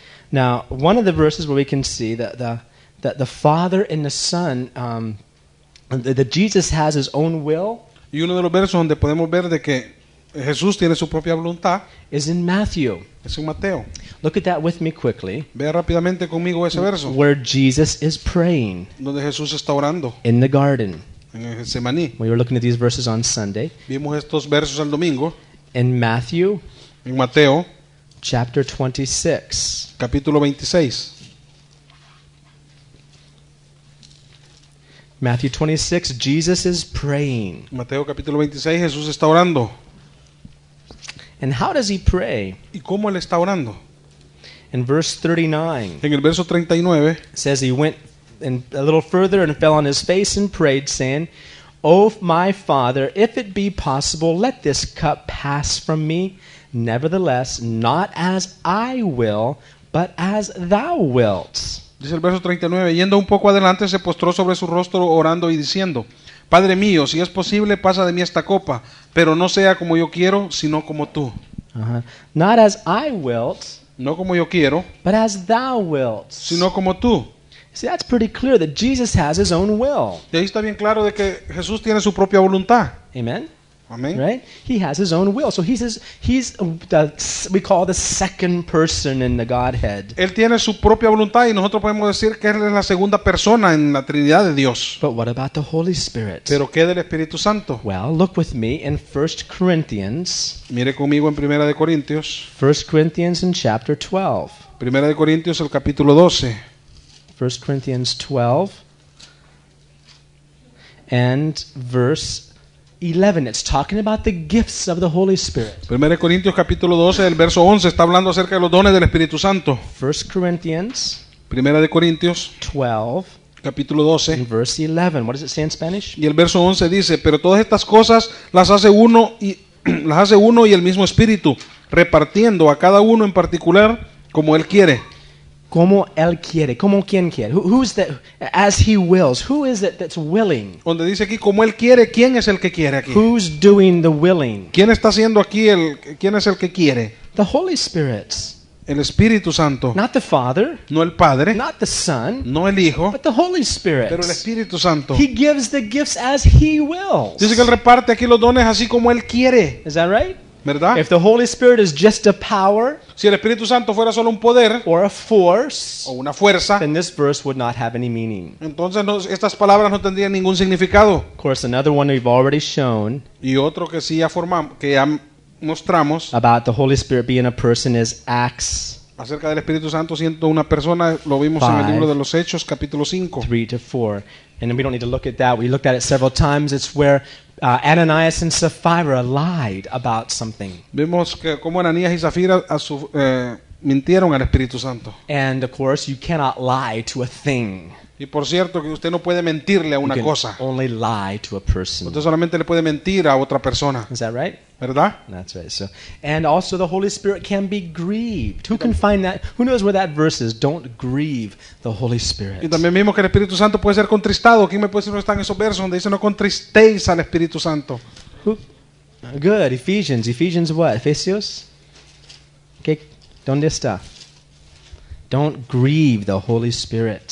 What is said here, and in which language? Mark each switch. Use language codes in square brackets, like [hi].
[en] Now, one of the verses where we can see that the Father and the Son, that Jesus has his own will. [es] Y uno de los versos donde podemos ver de que Jesús tiene su propia voluntad. [en] Is in Matthew. [es] Es en Mateo. [en] Look at that with me quickly. [es] Ve rápidamente conmigo ese verso. [en] Where Jesus is praying. [es] Donde Jesús está orando. [en] In the garden. [es] En Getsemaní. [en] We were looking at these verses on Sunday. [es] Vimos estos versos el domingo. [en] In Matthew. [es] En Mateo. [en] Chapter 26. [es] Capítulo 26. [en] Matthew 26, Jesus is praying. [es] Mateo capítulo 26, Jesús está orando. [en] And how does he pray? [es] ¿Y cómo él está orando? [en] In verse 39, [es] en el verso 39, [en] it says he went and a little further and fell on his face and prayed, saying, O my Father, if it be possible, let this cup pass from me. Nevertheless, not as I will, but as thou wilt. [es] Dice el verso 39, yendo un poco adelante, se postró sobre su rostro orando y diciendo, Padre mío, si es posible, pasa de mí esta copa, pero no sea como yo quiero, sino como tú. [en] Uh-huh. Not as I wilt, [es] no como yo quiero, [en] but as thou wilt, [es] sino como tú. [en] See, that's pretty clear that Jesus has his own will. [es] Y ahí está bien claro de que Jesús tiene su propia voluntad. Amen. Amen. [en] Right? He has his own will. So he says he's we call the second person in the Godhead. [es] Él tiene su propia voluntad y nosotros podemos decir que él es la segunda persona en la Trinidad de Dios. [en] But what about the Holy Spirit? [es] Pero ¿qué del Espíritu Santo? [en] Well, look with me in 1 Corinthians. [es] Mire conmigo en Primera de Corintios. [en] 1 Corinthians in chapter 12. [es] Primera de Corintios el capítulo 12. [en] 1 Corinthians 12 and verse 11. It's talking about the gifts of the Holy Spirit. [es] 1 Corintios capítulo 12, el verso 11, está hablando acerca de los dones del Espíritu Santo. [en] 1 Corinthians [es] 12, capítulo 12, [en] and verse 11. What does it say in Spanish? [es] Y el verso 11 dice, pero todas estas cosas las hace uno y el mismo Espíritu, repartiendo a cada uno en particular como Él quiere. Como él quiere, como quien quiere. [en] Who's that? As he wills. Who is it that's willing? [es] Donde dice aquí como él quiere, ¿quién es el que quiere aquí? [en] Who's doing the willing? [es] ¿Quién está haciendo aquí el? ¿Quién es el que quiere? [en] The Holy Spirit. [es] El Espíritu Santo. [en] Not the Father. [es] No el Padre. [en] Not the Son. [es] No el Hijo. [en] But the Holy Spirit. [es] Pero el Espíritu Santo. [en] He gives the gifts as he wills. [es] Dice que él reparte aquí los dones así como él quiere. [en] Is that right? [es] ¿Verdad? [en] If the Holy Spirit is just a power, [es] si el Espíritu Santo fuera solo un poder, [en] or a force, [es] o una fuerza, [en] then this verse would not have any meaning. [es] Entonces, estas palabras no tendrían ningún significado. [en] Of course, another one we've already shown. [es] Y otro que sí ya formamos, que ya mostramos. [en] About the Holy Spirit being a person is Acts. [es] Acerca del Espíritu Santo siendo una persona, lo vimos 5, en el libro de los Hechos, capítulo 5. [en] 3-4, and we don't need to look at that. We looked at it several times. It's where Ananias and Sapphira lied about something. [es] Vemos que como Ananías y Zafira mintieron al Espíritu Santo. [en] And of course, you cannot lie to a thing. [es] Y por cierto, que usted no puede mentirle a una [en] you can [es] cosa. [en] Only lie to a person. [es] Usted solamente le puede mentir a otra persona. [en] Is that right? [es] ¿Verdad? [en] That's right. So, and also the Holy Spirit can be grieved. Who can find that? Who knows where that verse is? Don't grieve the Holy Spirit. [es] Y también mismo que el Espíritu Santo puede ser contristado. ¿Quién me puede decir dónde están esos versos donde dice no contristéis al Espíritu Santo? [en] Who? Good. Ephesians. Ephesians what? [es] Efesios. ¿Qué? ¿Dónde está? [en] Don't grieve the Holy Spirit.